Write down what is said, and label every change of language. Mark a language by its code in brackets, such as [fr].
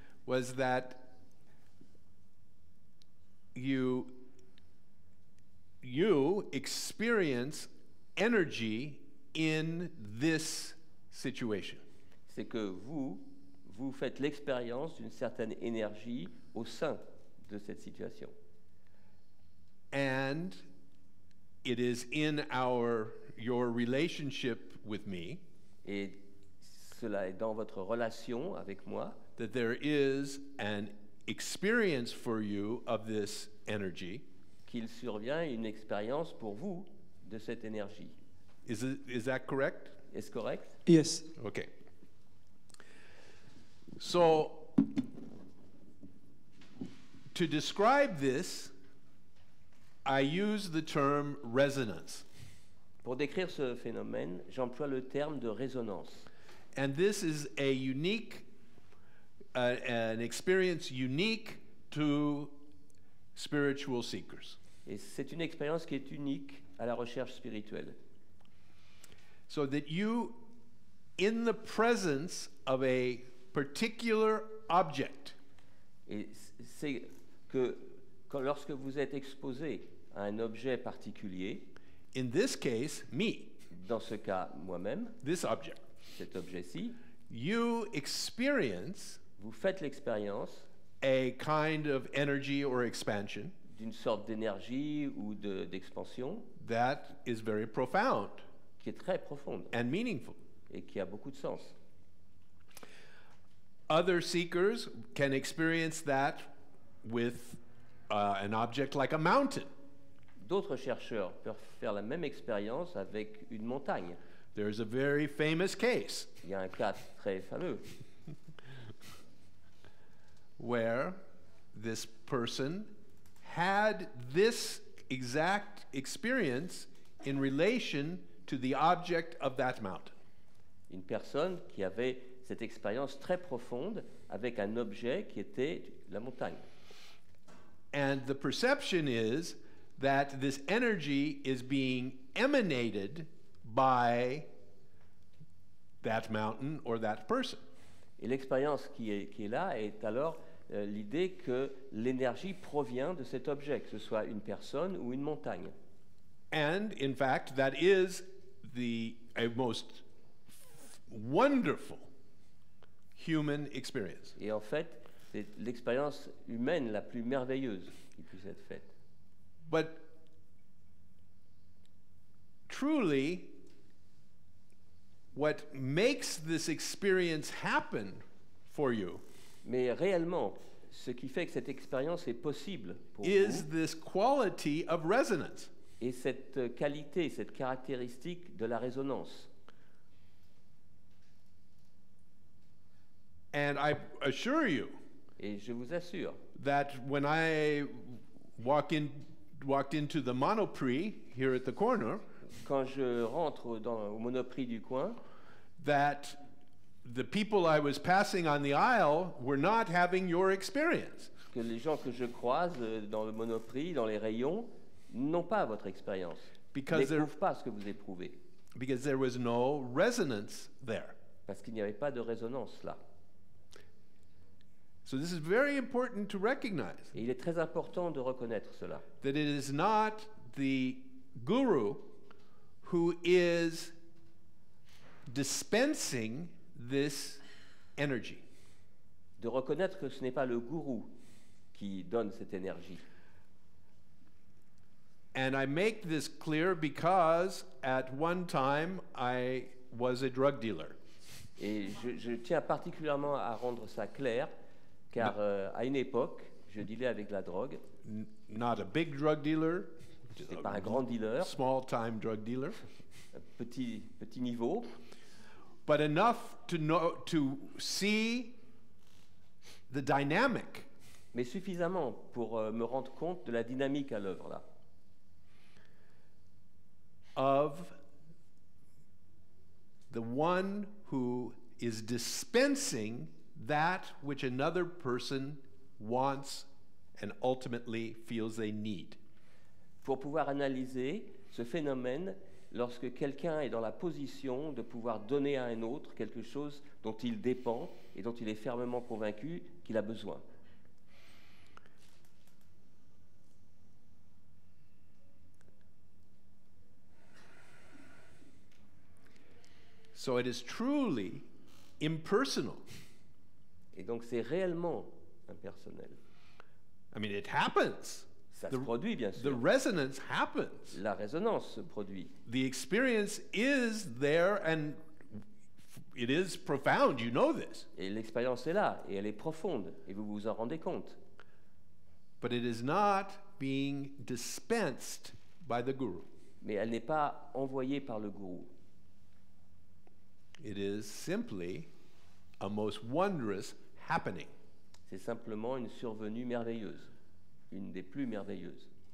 [en] was that you experience energy in this situation. [fr] C'est que vous faites l'expérience d'une certaine énergie au sein de cette situation. [en] And it is in your relationship with me. [fr] Et cela est dans votre relation avec moi. [en] That there is an experience for you of this energy. [fr] Qu'il survient une expérience pour vous de cette énergie. [en] Is that correct? [fr] Est-ce correct? [en] Yes. Okay. So, to describe this, I use the term resonance. [fr] Pour décrire ce phénomène, j'emploie le terme de résonance. [en] And this is a unique, an experience unique to spiritual seekers. [fr] Et c'est une expérience qui est unique à la recherche spirituelle. [en] So that you, in the presence of a particular object. [fr] Et c'est que quand, lorsque vous êtes exposé à un objet particulier, [en] in this case, me, [fr] dans ce cas, moi-même, [en] this object, [fr] cet objet-ci, [en] you experience, [fr] vous faites l'expérience, [en] a kind of energy or expansion, [fr] d'une sorte d'énergie ou de, d'expansion, [en] that is very profound, [fr] qui est très profonde, [en] and meaningful, [fr] et qui a beaucoup de sens. [en] Other seekers can experience that with an object like a mountain. [fr] D'autres chercheurs peuvent faire la même expérience avec une montagne. [en] There is a very famous case. [fr] Il y a un cas très fameux. [en] Where this person had this exact experience in relation to the object of that mountain. [fr] Une personne qui avait cette expérience très profonde avec un objet qui était la montagne. [en] And the perception is that this energy is being emanated by that mountain or that person. [fr] Et l'expérience qui est là est alors l'idée que l'énergie provient de cet objet, que ce soit une personne ou une montagne. [en] And in fact, that is the a most wonderful human experience. [fr] Et en fait, c'est l'expérience humaine la plus merveilleuse qui puisse être faite. [en] But truly, what makes this experience happen for you? [fr] Mais réellement, ce qui fait que cette expérience est possible pour [en] is [fr] vous, [en] this quality of resonance. [fr] Et cette qualité, cette caractéristique de la résonance. [en] And I assure you, [fr] et je vous assure, [en] that when I walked into the Monoprix here at the corner, [fr] quand je rentre dans, au Monoprix du coin, [en] that the people I was passing on the aisle were not having your experience. [fr] Que les gens que je croise dans le Monoprix, dans les rayons, n'ont pas votre expérience. [en] Because there, [fr] n'éprouvent pas ce que vous éprouvez. [en] Because there was no resonance there. [fr] Parce qu'il n'y avait pas de résonance là. [en] So this is very important to recognize. [fr] Et il est très important de reconnaître cela. [en] That it is not the guru who is dispensing this energy. [fr] De reconnaître que ce n'est pas le gourou qui donne cette énergie. [en] And I make this clear because at one time I was a drug dealer. [fr] Et je tiens particulièrement à rendre ça clair car à une époque, je dealais avec la drogue. [en] Not a big drug dealer. [fr] C'était pas un grand dealer. [en] Small time drug dealer. [fr] petit niveau. [en] But enough to know to see the dynamic. [fr] Mais suffisamment pour me rendre compte de la dynamique à l'œuvre là. [en] Of the one who is dispensing that which another person wants and ultimately feels they need. [fr] Pour pouvoir analyser ce phénomène. Lorsque quelqu'un est dans la position de pouvoir donner à un autre quelque chose dont il dépend et dont il est fermement convaincu qu'il a besoin. [en] So it is truly impersonal. [fr] Et donc c'est réellement impersonnel. [en] I mean, it happens. [fr] Ça se produit, bien sûr. [en] The resonance happens. [fr] La résonance se produit. [en] The experience is there and it is profound, you know this. [fr] Et l'expérience est là et elle est profonde et vous vous en rendez compte. [en] But it is not being dispensed by the guru. [fr] Mais elle n'est pas envoyée par le gourou. [en] It is simply a most wondrous happening. [fr] C'est simplement une survenue merveilleuse. Une des plus merveilleuses.